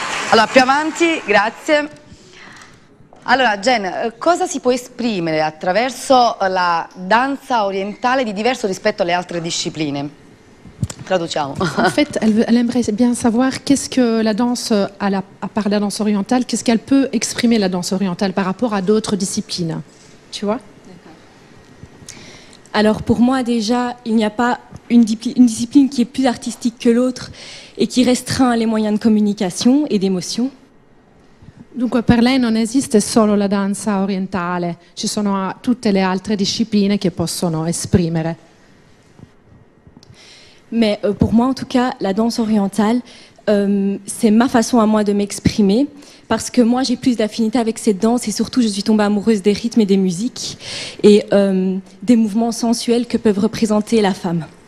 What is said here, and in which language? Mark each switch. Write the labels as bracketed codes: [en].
[it] Allora, più avanti, grazie. Allora, Jen, cosa si può esprimere attraverso la danza orientale di diverso rispetto alle altre discipline? [fr] En fait, elle aimerait bien savoir qu'est-ce que la danse, à part la danse orientale, qu'est-ce qu'elle peut exprimer la danse orientale par rapport à d'autres disciplines, tu vois? Alors pour moi déjà, il n'y a pas une discipline qui est plus artistique que l'autre et qui restreint les moyens de communication et d'émotion. [it] Donc pour elle, non existe solo la danza orientale, ci sono tutte le altre discipline che possono esprimere. [fr] Mais pour moi, en tout cas, la danse orientale, c'est ma façon à moi de m'exprimer. Parce que moi, j'ai plus d'affinité avec cette danse et surtout, je suis tombée amoureuse des rythmes et des musiques et des mouvements sensuels que peuvent représenter la femme.